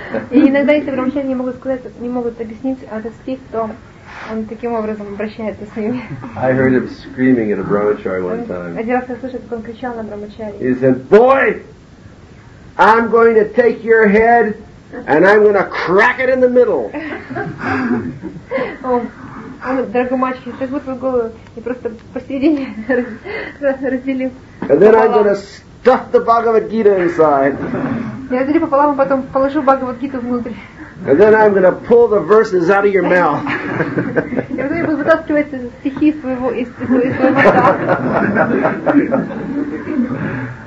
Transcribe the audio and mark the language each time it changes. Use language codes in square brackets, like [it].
[ru] И иногда, если вообще не могут сказать, не могут объяснить этот стих, то он таким образом обращается с ними. [en] I heard him screaming at a brahmachari one time. [ru] Один раз я слышал, как он кричал на брахмачари. [en] He said, "Boy, I'm going to take your head and I'm going to crack it in the middle." [ru] Он, дорогой мальчик, я сожгу твою голову и просто посередине разделю. [en] And then I'm going to stuff the Bhagavad Gita inside. [ru] Я разделю пополам, потом положу Бхагавад Гиту внутрь. [en] And then I'm going to pull the verses out of your mouth. [ru] Я потом буду вытаскивать стихи из своего рта.